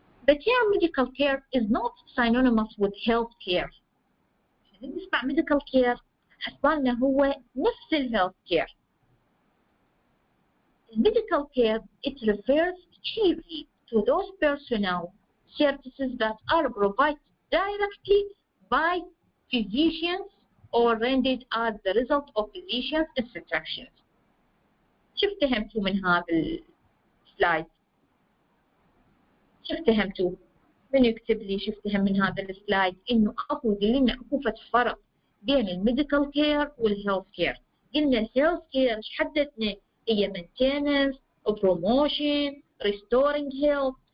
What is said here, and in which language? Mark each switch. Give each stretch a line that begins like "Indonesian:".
English: But yeah, medical care is not synonymous with health care.
Arabic: شنو نسمع medical care؟ حسبالنا هو نفس ال health care.
English: Medical care, it refers chiefly to those personnel services that are provided directly by physicians or rendered as the result of physicians' instructions.
Arabic: شفت اهمتو من هذا السلايد؟ شفت اهمتو؟ من يكتب لي شفت اهم من هذا السلايد؟ انه اكو قلنا اكو فرق بين الميديكال كير والهيلث كير. قلنا الهيلث كير ايش حدتنا؟ هي مينتيننس، بروموشن، ريستورينج هيلث.